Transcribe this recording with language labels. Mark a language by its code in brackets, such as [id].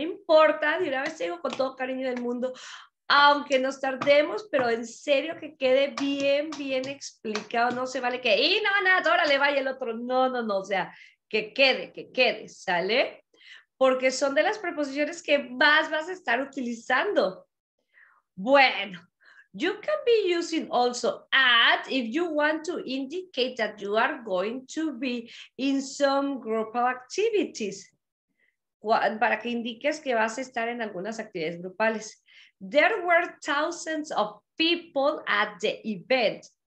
[es] No importa, de una vez te digo con todo cariño del mundo, aunque nos tardemos, pero en serio que quede bien, bien explicado. No se vale que, y no, nada, ahora le vaya el otro. No, no, no, o sea, que quede, ¿sale? Porque son de las preposiciones que más vas a estar utilizando. [en] Bueno, you can be using also at if you want to indicate that you are going to be in some group of activities. [es] Para que indiques que vas a estar en algunas actividades grupales. [en] There were thousands of people at the event.